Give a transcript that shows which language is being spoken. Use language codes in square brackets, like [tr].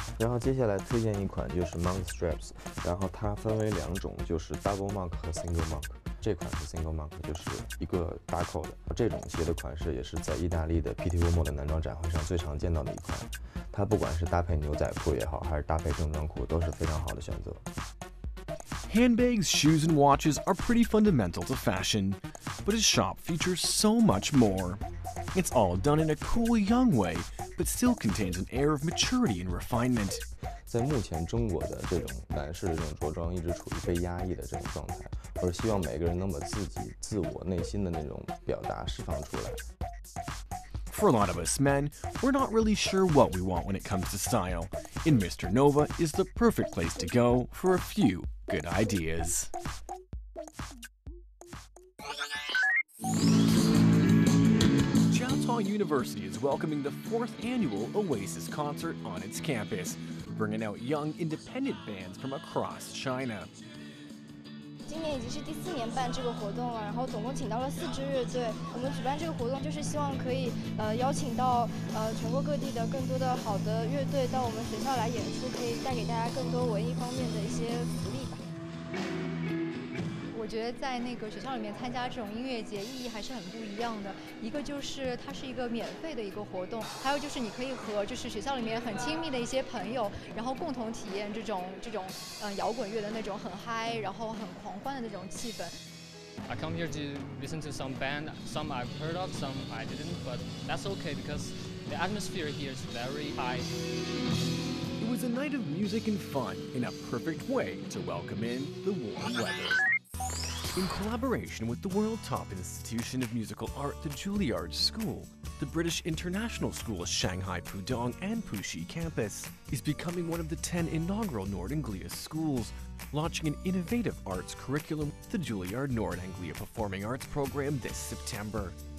[zh] 然后接下来推荐一款就是 monk straps， 然后它分为两种，就是 double monk 和 single monk。这款是 single monk， 就是一个搭扣的。这种鞋的款式也是在意大利的 PTUOMO 的男装展会上最常见到的一款，它不管是搭配牛仔裤也好，还是搭配正装裤都是非常好的选择。 [en] Handbags, shoes, and watches are pretty fundamental to fashion, but his shop features so much more. It's all done in a cool young way, but still contains an air of maturity and refinement. [zh] 在目前中国的这种男士的这种着装一直处于被压抑的这种状态，我是希望每个人能把自己自我内心的那种表达释放出来。 [en] For a lot of us men, we're not really sure what we want when it comes to style, and Mr. Nova is the perfect place to go for a few good ideas. Chowtaw University is welcoming the 4th annual Oasis concert on its campus, bringing out young independent bands from across China. [zh] 今年已经是第四年办这个活动了，然后总共请到了4支乐队。我们举办这个活动就是希望可以邀请到全国各地的更多的好的乐队到我们学校来演出，可以带给大家更多文艺方面的一些福利吧。我觉得在那个学校里面参加这种音乐节意义还是很不一样的，一个就是它是一个免费的一个活动，还有就是你可以和就是学校里面很亲密的一些朋友，然后共同体验这种摇滚乐的那种很嗨然后很狂欢的那种气氛。 [en] I come here to listen to some band, some I've heard of, some I didn't, but that's okay because the atmosphere here is very high. It was a night of music and fun in a perfect way to welcome in the warm weather. In collaboration with the world top institution of musical art, the Juilliard School, the British International School of Shanghai Pudong and Puxi campus is becoming one of the 10 inaugural Nord Anglia schools, launching an innovative arts curriculum, the Juilliard Nord Anglia Performing Arts Program this September.